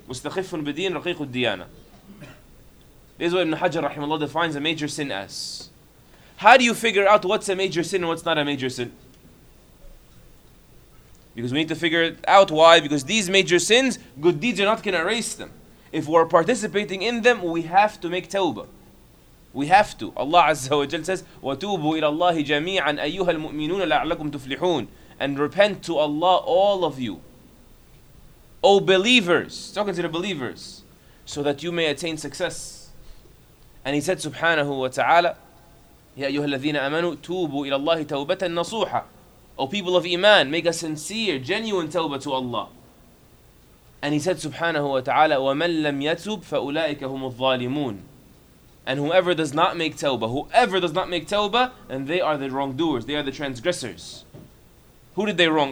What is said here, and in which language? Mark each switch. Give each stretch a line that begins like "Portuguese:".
Arabic: مُسْتَخِفٌ بِدِينَ رَقِيقُ الدِّيَانَةِ.
English: This is what Ibn Hajar rahimahullah defines a major sin as. How do you figure out what's a major sin and what's not a major sin? Because we need to figure it out. Why? Because these major sins, good deeds are not going to erase them. If we're participating in them, we have to make tawbah. We have to.
Arabic: Allah Azza wa Jal says, وَتُوبُوا إِلَى اللَّهِ جَمِيعًا أَيُّهَا الْمُؤْمِنُونَ لَعَلَّكُمْ تُفْلِحُونَ.
English: And repent to Allah, all of you, O believers, talking to the believers, so that you may attain success. And he said,
Arabic: subhanahu wa ta'ala, يَا أَيُّهَا الَّذِينَ أَمَنُوا تُوبُوا إِلَى اللَّهِ تَوْبَةً نَصُوحًا.
English: O people of Iman, make a sincere, genuine tawbah to Allah. And he said, subhanahu wa ta'ala,
Arabic: وَمَنْ لَمْ يَتُوبْ فَأُولَٰئِكَ هُمُ الظَّالِمُونَ.
English: And whoever does not make tawbah, whoever does not make tawbah, then they are the wrongdoers, they are the transgressors. Who did they wrong?